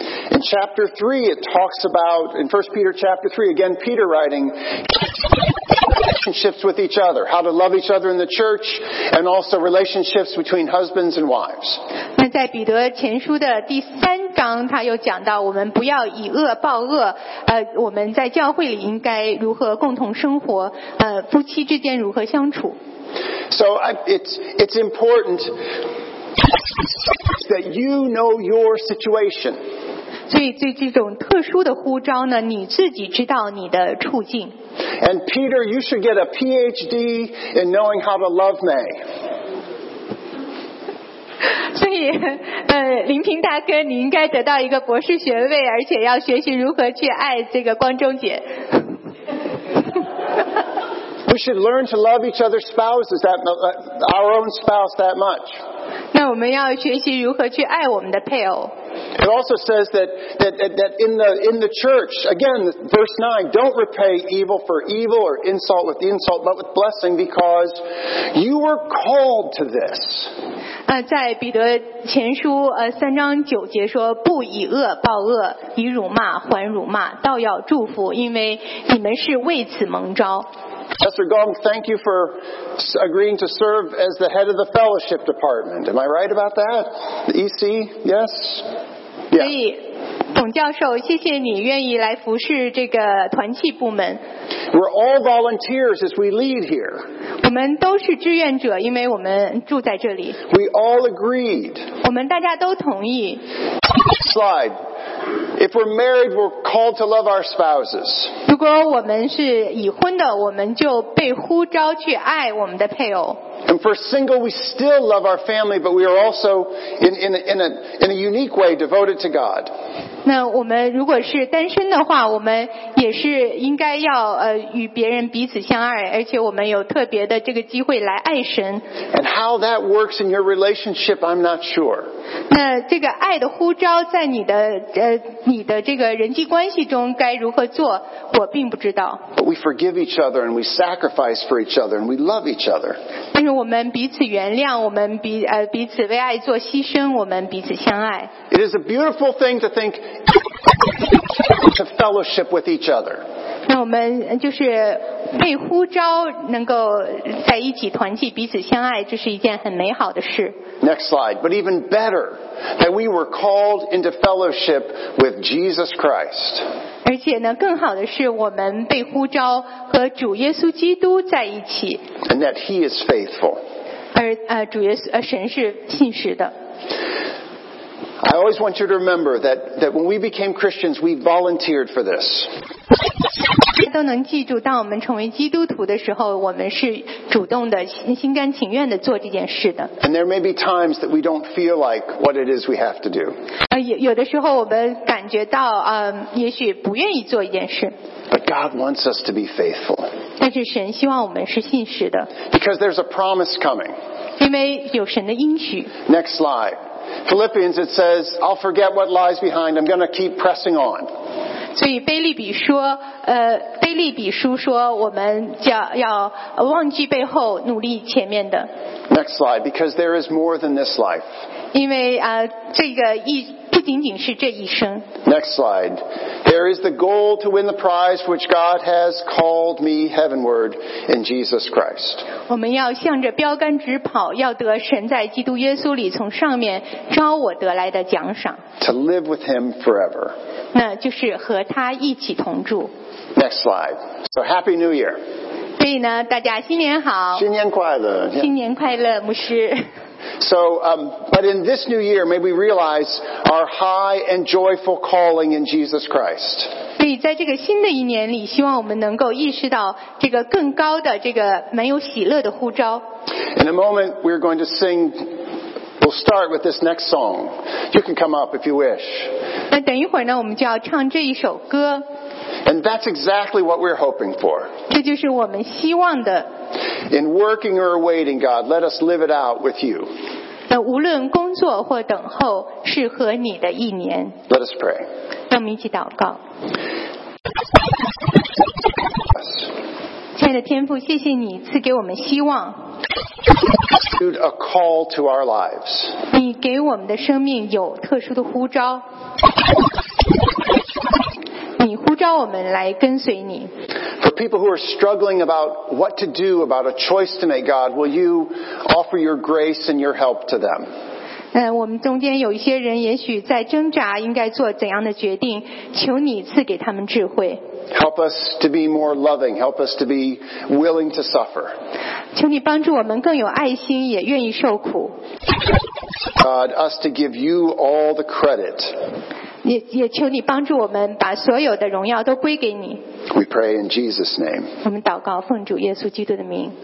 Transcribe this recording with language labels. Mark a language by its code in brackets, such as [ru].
[en] In chapter 3 it talks about, in 1 Peter chapter 3, again Peter writing, relationships with each other, how to love each other in the church, and also relationships between husbands and wives. [zh] 那在彼得前书的第三章他又讲到我们不要以恶报恶，我们在教会里应该如何共同生活，夫妻之间如何相处。 [en] So it's important that you know your situation. [zh] 所以对这种特殊的呼召呢，你自己知道你的处境。 [en] And Peter, you should get a PhD in knowing how to love me. [zh] 所以，林平大哥，你应该得到一个博士学位，而且要学习如何去爱这个光中姐。 [en] We should learn to love each other's spouses, that our own spouse that much. [zh] 那我们要学习如何去爱我们的配偶。 [en] It also says that in the church, again, verse 9, don't repay evil for evil or insult with insult, but with blessing, because you were called to this. [zh] 在彼得前书三章九节说，不以恶报恶，以辱骂还辱骂，倒要祝福，因为你们是为此蒙召。 [en] Pastor Gong, thank you for agreeing to serve as the head of the fellowship department. Am I right about that? The EC, yes? [zh] Yeah. 所以，董教授，谢谢你愿意来服侍这个团契部门。 [en] We're all volunteers as we lead here. [zh] 我们都是志愿者，因为我们住在这里。 [en] We all agreed. [zh] 我们大家都同意。 [en] Slide. If we're married, we're called to love our spouses. [zh] 如果我们是已婚的，我们就被呼召去爱我们的配偶。 [en] And for single, we still love our family, but we are also in a unique way devoted to God. [zh] 那我们如果是单身的话，我们也是应该要与别人彼此相爱，而且我们有特别的这个机会来爱神。 [en] And how that works in your relationship, I'm not sure. [zh] 那这个爱的呼召在你的这个人际关系中该如何做，我并不知道。 [en] But we forgive each other and we sacrifice for each other and we love each other. [zh] 但是我们彼此原谅，我们彼此为爱做牺牲，我们彼此相爱。 [en] It is a beautiful thing to think to fellowship with each other. [zh] 那我们就是被呼召，能够在一起团契，彼此相爱，这是一件很美好的事。 [en] Next slide. But even better, that we were called into fellowship with Jesus Christ. [zh] 而且呢，更好的是我们被呼召和主耶稣基督在一起。 [en] And that he is faithful. [zh] 而主耶稣神是信实的。 [en] I always want you to remember that, that when we became Christians, we volunteered for this. [zh] 都能记住，当我们成为基督徒的时候，我们是主动的、心甘情愿的做这件事的。 [en] And there may be times that we don't feel like what it is we have to do. [zh] 有的时候我们感觉到，也许不愿意做一件事。 [en] But God wants us to be faithful. [zh] 但是神希望我们是信实的。 [en] Because there's a promise coming. [zh] 因为有神的应许。 [en] Next slide. Philippians, it says, I'll forget what lies behind. I'm going to keep pressing on. [zh] 所以腓立比说，腓立比书说，我们要忘记背后，努力前面的。 [en] Next slide, because there is more than this life. [zh] 因为这个不仅仅是这一生。 [en] Next slide, there is the goal to win the prize which God has called me heavenward in Jesus Christ. [zh] 我们要向着标杆直跑，要得神在基督耶稣里从上面召我得来的奖赏。 [en] To live with Him forever. [zh] 那就是和他一起同住。 [en] Next slide, so Happy New Year. [zh] 所以呢，大家新年好。新年快乐。新年快乐，牧师。 [en] So, but in this new year, may we realize our high and joyful calling in Jesus Christ. [zh] 所以在这个新的一年里，希望我们能够意识到这个更高的这个蛮有喜乐的呼召。 [en] In a moment, we're going to sing. We'll start with this next song. You can come up if you wish. [zh] 那等一会儿呢，我们就要唱这一首歌。 [en] And that's exactly what we're hoping for. [zh] 这就是我们希望的。 [en] In working or waiting, God, let us live it out with you. [zh] 那无论工作或等候，是和你的一年。 [en] Let us pray. [zh] 让我们一起祷告。 [en] Yes. [zh] 亲爱的天父，谢谢你赐给我们希望。 [en] Issued a call to our lives. [zh] 你给我们的生命有特殊的呼召。你呼召我们来跟随你。 [en] For people who are struggling about what to do, about a choice to make, God, will you offer your grace and your help to them? [zh] 我们中间有一些人也许在挣扎应该做怎样的决定，求你赐给他们智慧。 [en] Help us to be more loving. Help us to be willing to suffer. [zh] 求你帮助我们更有爱心，也愿意受苦。 [en] God, us to give you all the credit. [zh] 也求你帮助我们把所有的荣耀都归给你。 [en] We pray in Jesus' name. [zh] 我们祷告奉主耶稣基督的名。